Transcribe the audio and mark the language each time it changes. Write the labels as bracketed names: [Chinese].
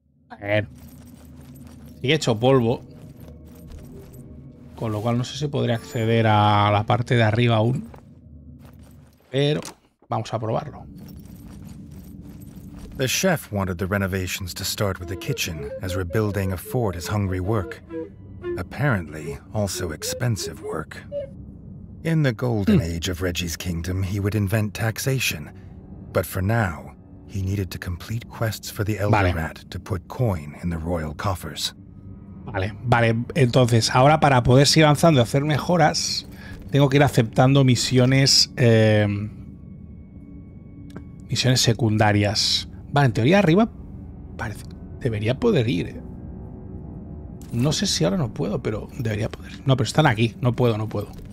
[Spanish] A ver. Sigue hecho polvo. Con lo cual no sé si podría acceder a la parte de arriba aún. Pero vamos a probarlo. [English] The chef wanted the renovations to start with the kitchen, as rebuilding a fort is hungry work. Apparently, also expensive work. In the golden age of Reggie's kingdom, he would invent taxation. But for now, he needed to complete quests for the Elder Rat to put coin in the royal coffers. [Spanish] Vale, vale. Entonces, ahora para poder seguir avanzando y hacer mejoras, tengo que ir aceptando misiones. Misiones secundarias. Vale, en teoría arriba parece, debería poder ir. No sé si ahora no puedo, pero debería poder. No, pero están aquí. No puedo, no puedo.